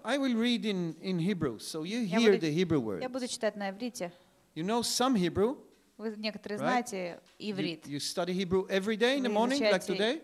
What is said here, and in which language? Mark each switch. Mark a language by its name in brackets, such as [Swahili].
[English] I will read in Hebrew, so you hear the Hebrew word. [Russian] Я буду читать на иврите. [English] You know some Hebrew? [Russian] Вы некоторые знаете иврит. [English] You study Hebrew every day in the morning, like today?